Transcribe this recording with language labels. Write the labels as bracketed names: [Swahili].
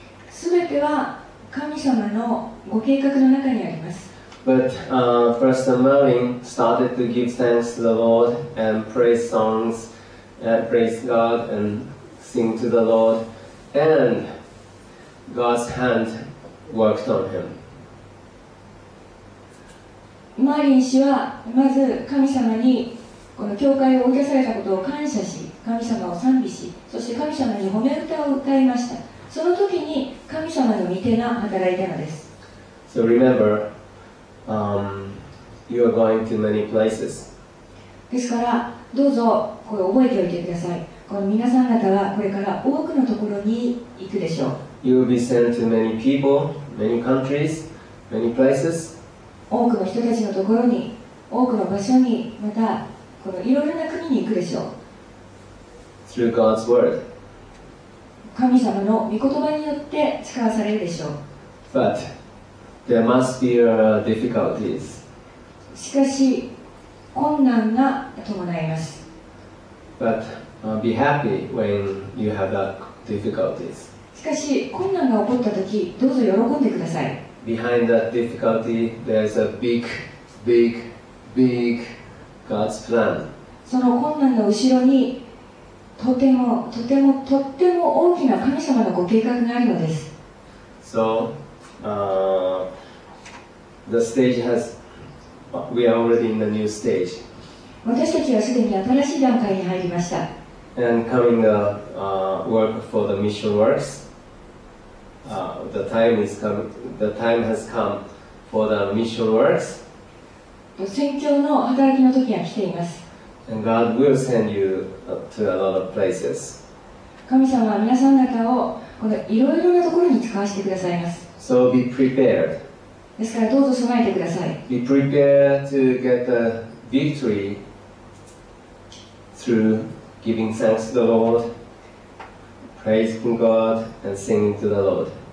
[Japanese] 全ては神様のご計画の中にあります。 [English] But Pastor Merlin started to give thanks to the Lord and praise songs and praise God and sing to the Lord and God's hand worked on him. [Japanese] Merlin 氏はまず神様にこの教会を受けされたことを感謝し、神様を賛美し、そして神様に褒め歌を歌いました。その時に神様の御手が働いたのです。 [English] So remember,you are going to many places. [Japanese] ですからどうぞこれ覚えておいてください。この皆さん方はこれから多くのところに行くでしょう。 [English] You will be sent to many people, many countries, many places. [Japanese] 多くの人たちのところに、多くの場所に、またこのいろいろな国に行くでしょう。 [English] Through God's word. [Japanese] 神様の御言葉によって使わされるでしょう。 [English] ButThere must be difficulties. [Japanese] しかし困難が伴います。 [English] But be happy when you have that difficulties. [Japanese] しかし困難が起こったとき、どうぞ喜んでください。 [English] Behind that difficulty, there's a big, big, big God's plan. [Japanese] その困難の後ろにとてもとてもとっても大きな神様のご計画があるのです。 [English] So,the stage has, we are already in the new stage. [Japanese] 私たちはすでに新しい段階に入りました。 [English] And coming the work for the mission works, the time has come for the mission works. [Japanese] 宣教の働きの時が来ています。 [English] And God will send you to a lot of places. [Japanese] 神様は皆さん方をこのいろいろなところに使わせてくださいます。 [English] So be prepared. [Japanese] ですからどうぞ備えてください。 [English] Be prepared to get the victory through giving thanks to the Lord, praising God, and singing to the Lord.